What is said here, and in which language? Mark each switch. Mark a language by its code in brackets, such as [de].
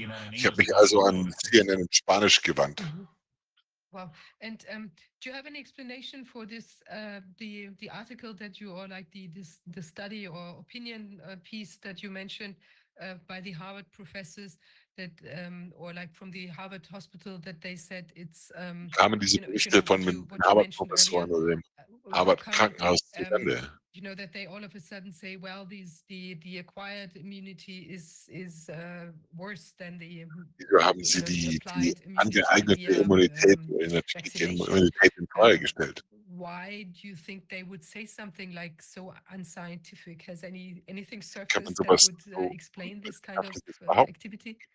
[de] Ich habe mich also an CNN in Spanisch gewandt. Wow. [en] And do you have an explanation for this the article that you or like the study or opinion piece that you mentioned by the Harvard professors that or like from the Harvard Hospital that they said it's [de] kamen diese Berichte von den Harvard Professoren oder dem Harvard Krankenhaus zustande? [en] You know that they all of a sudden say, well, the acquired immunity is worse than the. [de] Wieso haben sie die angeeignete Immunität in Frage gestellt? [en] Why do you think they would say something like so unscientific? Has anything surfaced that would explain this kind of activity?